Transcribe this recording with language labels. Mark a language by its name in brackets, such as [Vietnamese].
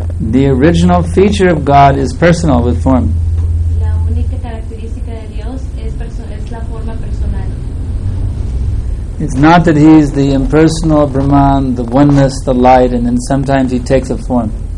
[English] The original feature of God is personal with form. [Spanish] La única característica de Dios es la forma personal. [English] It's not that he is the impersonal Brahman, the oneness, the light, and then sometimes he takes a form.